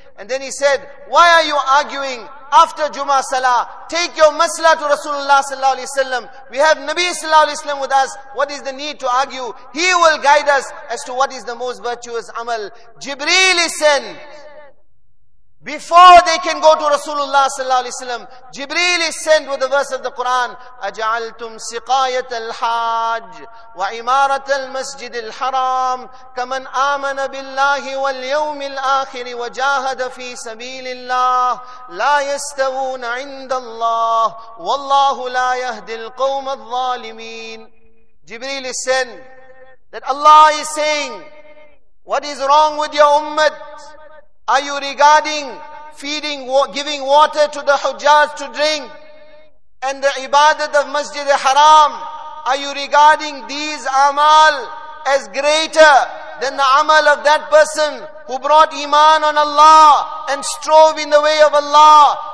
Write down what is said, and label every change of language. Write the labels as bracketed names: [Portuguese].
[English] And then he said, why are you arguing after Jummah Salah? Take your masla to Rasulullah sallallahu alayhi wa sallam. We have Nabi sallallahu alayhi wa sallam with us. What is the need to argue? He will guide us as to what is the most virtuous amal. Jibreel is sent before they can go to Rasulullah sallallahu alaihi wasallam. Jibreel is sent with the verse of the Quran, [Arabic] أَجْعَلْتُمْ سِقَايَةَ الْحَاجِ وَإِمَارَةَ الْمَسْجِدِ الْحَرَامِ كَمَنْ آمَنَ بِاللَّهِ وَالْيَوْمِ الْآخِرِ وَجَاهَدَ فِي سَبِيلِ اللَّهِ لَا يَسْتَوُونَ عِنْدَ اللَّهِ وَاللَّهُ لَا يَهْدِي الْقَوْمَ الظَّالِمِينَ. [English] Jibreel is sent that Allah is saying, what is wrong with your ummah? Are you regarding feeding, giving water to the Hujjaj to drink and the ibadat of Masjid al-Haram? Are you regarding these amal as greater than the amal of that person who brought iman on Allah and strove in the way of Allah?